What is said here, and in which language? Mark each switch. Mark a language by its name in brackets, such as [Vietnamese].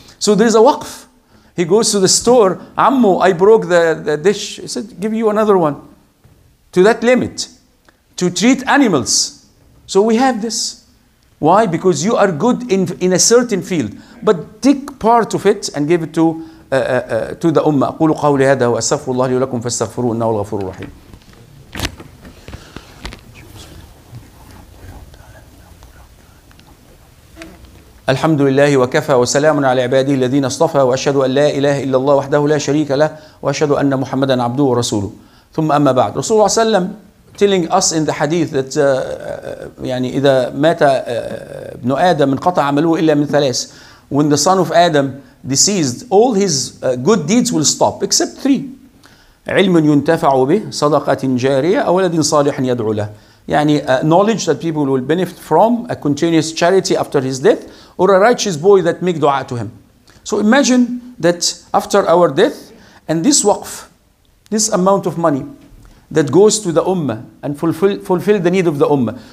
[English] So there's a waqf. He goes to the store. Ammu, I broke the dish. He said, give you another one. To that limit. To treat animals. So we have this. Why? Because you are good in a certain field. But take part of it and give it to the ummah. [Arabic] قولوا قولي هذا وأستغفر الله لي ولكم فاستغفروه إنه الغفور الرحيم. الحمد لله وكفى وسلام على عباده الذين اصطفى وأشهد أن لا إله إلا الله وحده لا شريك له وأشهد أن محمدا عبده ورسوله. ثم أما بعد. رسول الله صلى الله عليه وسلم [English] telling us in the hadith that [Arabic] إذا مات ابن آدم انقطع عمله إلا من ثلاث. [English] When the son of Adam deceased, all his good deeds will stop except three. [Arabic] علم ينتفع به, صدقة جارية, أو ولد صالح يدعو له. [English] يعني knowledge that people will benefit from, a continuous charity after his death, or a righteous boy that make dua to him. So imagine that after our death, and this waqf, this amount of money, that goes to the ummah and fulfill the need of the ummah.